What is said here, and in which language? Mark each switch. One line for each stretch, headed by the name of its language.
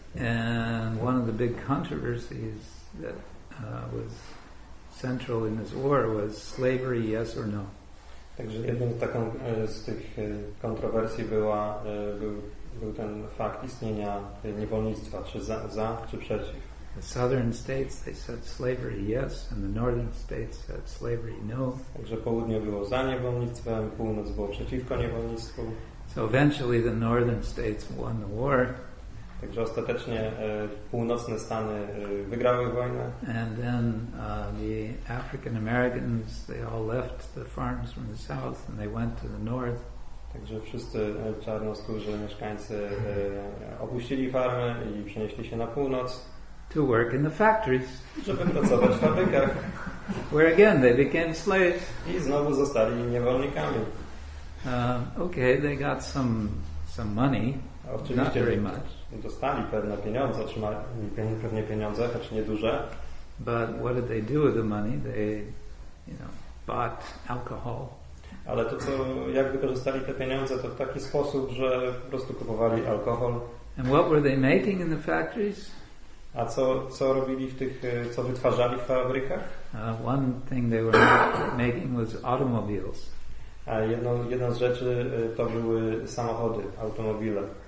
English: And one of the big controversies that was central in this war was slavery, yes or no.
Polish: Także jedną taką z tych kontrowersji była był ten fakt istnienia niewolnictwa, czy za czy przeciw.
English: The southern states, they said slavery, yes, and the northern states said slavery, no.
Polish: Także południe było za niewolnictwem, północ było przeciwko niewolnictwu.
English: So eventually the northern states won the war.
Polish: Także ostatecznie północne Stany wygrały wojnę.
English: And then the African Americans, they all left the farms from the south and they went to the north.
Polish: Także wszyscy czarnoskórzy mieszkańcy opuścili farmy i przenieśli się na północ.
English: To work in the factories.
Polish: Żeby pracować w fabrykach.
English: Where again they became slaves.
Polish: I znowu zostali niewolnikami.
English: Okay, they got some money.
Polish: Oczywiście
English: not very much.
Polish: Dostali pewne pieniądze, otrzymali pewnie pieniądze, choć nieduże.
English: But what did they do with the money? They, you know, bought alcohol.
Polish: Ale to, co, jak wykorzystali te pieniądze, to w taki sposób, że po prostu kupowali alkohol.
English: And what were they making in the factories?
Polish: A co robili w tych, co wytwarzali w fabrykach?
English: One thing they were making was automobiles.
Polish: A jedna z rzeczy to były samochody, automobile.